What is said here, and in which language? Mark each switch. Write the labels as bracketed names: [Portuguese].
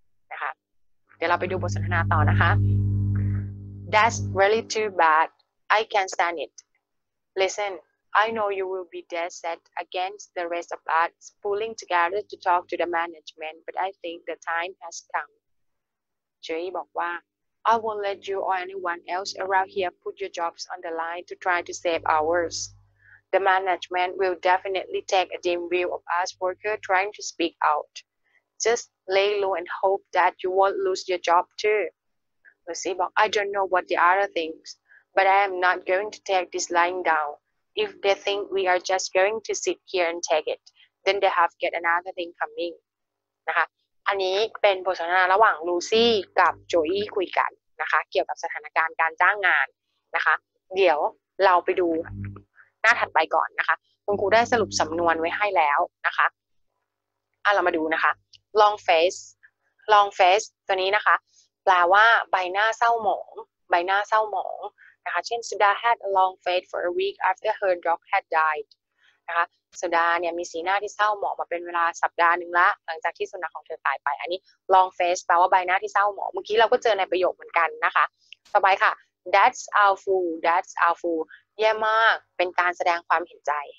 [Thai] นะคะ เดี๋ยวเราไปดูบทสนทนาต่อนะคะ [English] That's really too bad. I can't stand it. Listen, I know you will be dead set against the rest of us pulling together to talk to the management, but I think the time has come. Joey [Thai] บอกว่า [English] I won't let you or anyone else around here put your jobs on the line to try to save ours. The management will definitely take a dim view of us workers trying to speak out. Just lay low and hope that you won't lose your job too. Lucy [Thai] บอก [English] I don't know what the other thinksBut I am not going to take this lying down. If they think we are just going to sit here and take it, then they have get another thing coming. [Thai] นะคะอันนี้เป็นบทสนทนาระหว่างลูซี่กับโจอี้คุยกันนะคะเกี่ยวกับสถานการณ์การจ้างงานนะคะเดี๋ยวเราไปดูหน้าถัดไปก่อนนะคะคุณครูได้สรุปสำนวนไว้ให้แล้วนะคะ เรามาดูนะคะ long face ตัวนี้นะคะแปลว่าใบหน้าเศร้าหมองใบหน้าเศร้าหมองนะคะเช่น [English] Sudha had a long face for a week after her dog had died [Thai] นะคะ Sudha เนี่ยมีสีหน้าที่เศร้าหมองมาเป็นเวลาสัปดาห์หนึ่งละหลังจากที่สุนัขของเธอตายไปอันนี้ long face แปลว่าใบหน้าที่เศร้าหมองเมื่อกี้เราก็เจอในประโยคเหมือนกันนะคะต่อไปค่ะ [English] That's awful [Thai] แย่มากเป็นการแสดงความเห็นใจ